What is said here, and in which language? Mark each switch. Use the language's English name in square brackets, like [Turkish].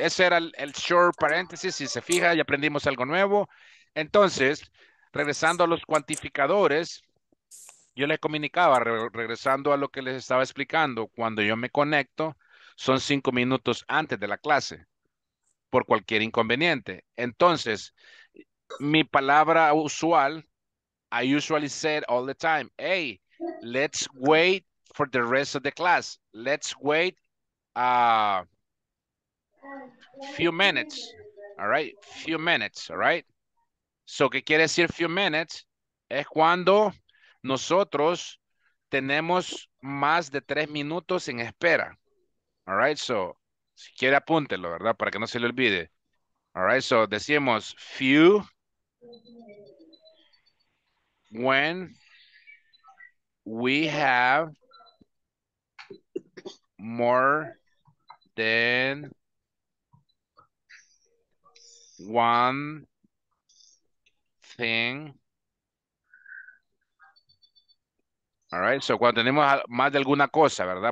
[Spanish] Ese era el short paréntesis. Si se fija, ya aprendimos algo nuevo. Entonces, regresando a los cuantificadores, yo les comunicaba, regresando a lo que les estaba explicando, cuando yo me conecto, son 5 minutos antes de la clase, por cualquier inconveniente. Entonces, mi palabra usual, [English] I usually said all the time, hey, let's wait for the rest of the class. Let's wait few minutes, all right? [Spanish] So, ¿qué quiere decir few minutes? Es cuando nosotros tenemos más de 3 minutos en espera, all right? So, si quiere apúntelo, ¿verdad? Para que no se le olvide, all right? [English] So, decimos few when we have more than 1 thing. [Spanish] All right, so cuando tenemos más de alguna cosa, ¿verdad?